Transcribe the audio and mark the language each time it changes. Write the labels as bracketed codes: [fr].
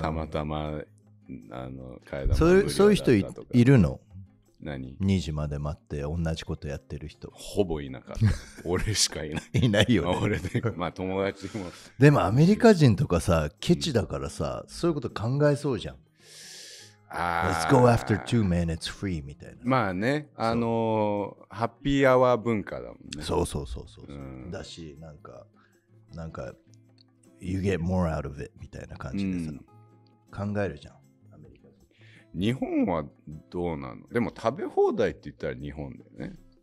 [ja] たまたまあの替え玉とか。そういう人 いるの？何？ 2時まで待って同じことやってる人。ほぼいなかった。俺しかいない。いないよ、ね。俺で、まあ友達も。でもアメリカ人とかさ、ケチだからさ、うん、そういうこと考えそうじゃん。 [en] Let's go after 2 minutes free みたいな。 [ja] まあね、ハッピーアワー文化だもんね。そうそうそうそう、うん、だしなんか [en] You get more out of it [ja] みたいな感じでさ、うん、考えるじゃん。アメリカ日本はどうなの。でも食べ放題って言ったら日本だよね。